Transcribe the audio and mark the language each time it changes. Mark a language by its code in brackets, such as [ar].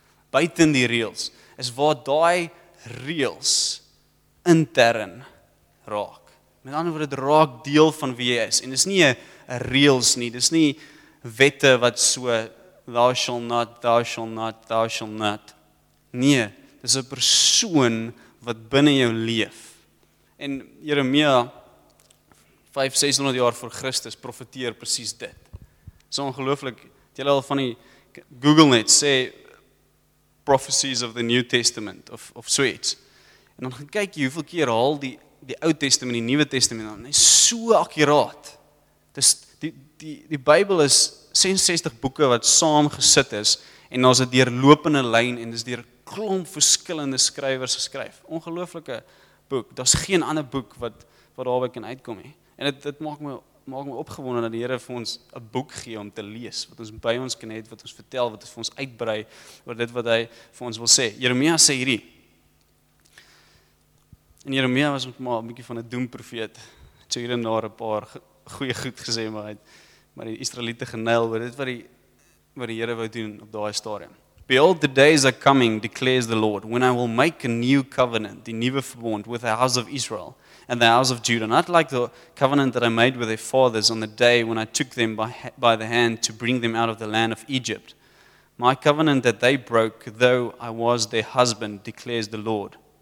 [af] Buiten die reëls is waar daai reëls intern raak. Met ander woorde, dit raak deel van wie jy is. En dis nie 'n reëls nie, dis nie wette wat so [en] thou shall not, thou shall not, [af] thou shall not. Nee, dis 'n persoon wat binne jou leef. En Jeremia 5-600 jaar voor Christus profeteer presies dit. Dis ongelooflik. Het julle al van die Google net sê [en] prophecies of the New Testament [af] of so iets. En dan gaan kyk jy hoeveel keer haal die Ou Testament, die Nuwe Testament, dan is so akkuraat. Dis die Bybel is 66 boeke wat saamgesit is en daar's 'n deurlopende lyn en dis deur klomp verskillende skrywers geskryf. Ongelooflike boek. Daar's geen ander boek wat daarby kan uitkom nie. En dit maak my opgewonde dat die Here vir ons 'n boek gee om te lees wat ons by ons kan hê, wat ons vertel, wat vir ons uitbrei oor dit wat hy vir ons wil sê. Jeremia sê hierdie. En Jeremia was met maar 'n bietjie van 'n doemprofeet. Het so hier en daar 'n paar goeie goed gesê, maar die Israeliete geneil oor dit wat die Here wou doen op daai stadium. [en] Behold, the days are coming, declares the Lord, when I will make a new covenant, [af] die nuwe verbond, [en] with the house of Israel and the house of Judah, not like the covenant that I made with their fathers on the day when I took them by the hand to bring them out of the land of Egypt. My covenant that they broke, though I was their husband, declares the Lord.